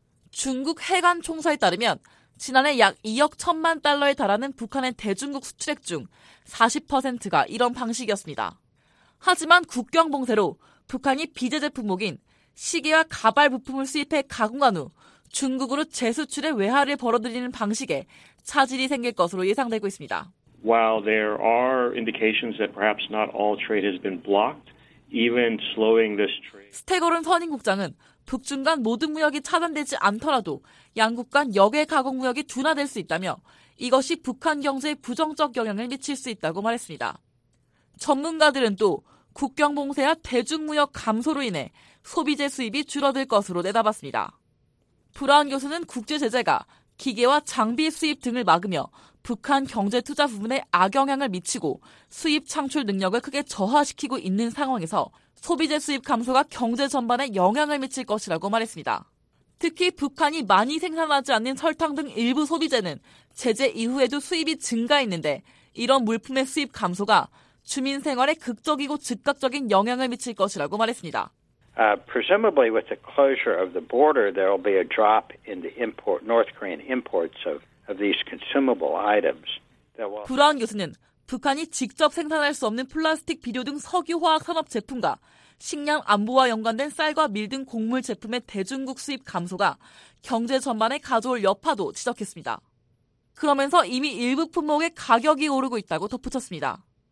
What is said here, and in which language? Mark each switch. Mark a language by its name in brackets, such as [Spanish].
[Korean] 중국 해관 총서에 따르면 지난해 약 2억 1천만 달러에 달하는 북한의 대중국 수출액 중 40%가 이런 방식이었습니다. 하지만 국경 봉쇄로 북한이 비제재 품목인 시계와 가발 부품을 수입해 가공한 후 중국으로 재수출해 외화를 벌어들이는 방식에 차질이 생길 것으로 예상되고 있습니다. [English] While there are indications that perhaps not all trade has been blocked, even slowing this trade. [Korean] 스테거른 선임 국장은 북중 간 모든 무역이 차단되지 않더라도 양국 간 역외 가공 무역이 둔화될 수 있다며 이것이 북한 경제에 부정적 영향을 미칠 수 있다고 말했습니다. 전문가들은 또 국경 봉쇄와 대중 무역 감소로 인해 소비재 수입이 줄어들 것으로 내다봤습니다. 브라운 교수는 국제 제재가 기계와 장비 수입 등을 막으며 북한 경제 투자 부분에 악영향을 미치고 수입 창출 능력을 크게 저하시키고 있는 상황에서 소비재 수입 감소가 경제 전반에 영향을 미칠 것이라고 말했습니다. 특히 북한이 많이 생산하지 않는 설탕 등 일부 소비재는 제재 이후에도 수입이 증가했는데 이런 물품의 수입 감소가 주민 생활에 극적이고 즉각적인 영향을 미칠 것이라고 말했습니다. [English] Presumably with the closure of the border, there will be a drop in the import, North Korean imports of these consumable items. [Korean] 브라운 교수는 북한이 직접 생산할 수 없는 플라스틱 비료 등 석유화학 산업 제품과 식량 안보와 연관된 쌀과 밀 등 곡물 제품의 대중국 수입 감소가 경제 전반에 가져올 여파도 지적했습니다. 그러면서 이미 일부 품목의 가격이 오르고 있다고 덧붙였습니다.